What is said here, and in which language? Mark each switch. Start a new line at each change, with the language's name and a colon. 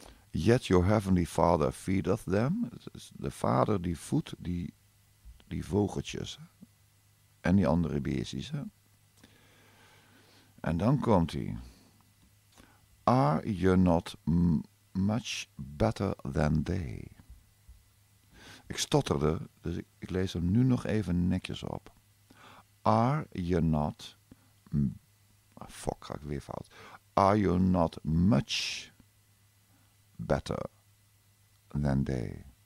English: Yet your heavenly father feedeth them.
Dutch: De vader die voedt die vogeltjes. En die andere beestjes. En dan komt hij.
English: Are you not much better than they?
Dutch: Ik stotterde, dus ik lees hem nu nog even netjes op.
English: Are you not...
Dutch: ga ik weer fout.
English: Are you not much better than they?